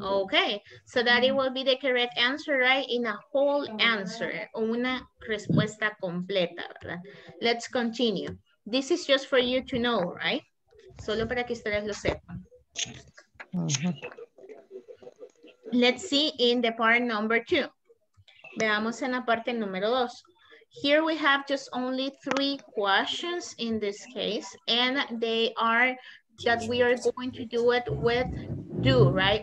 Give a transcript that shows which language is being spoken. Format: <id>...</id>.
<en>Okay, so that it will be the correct answer, right? In a whole answer,</en> <es>una respuesta completa, ¿verdad?</es> <en>Let's continue. This is just for you to know, right?</en> <es>Solo para que ustedes lo sepan.</es> <en>Let's see in the part number two.</en> <es>Veamos en la parte número dos.</es> <en>Here we have just only three questions in this case, and they are that we are going to do it with do, right?</en>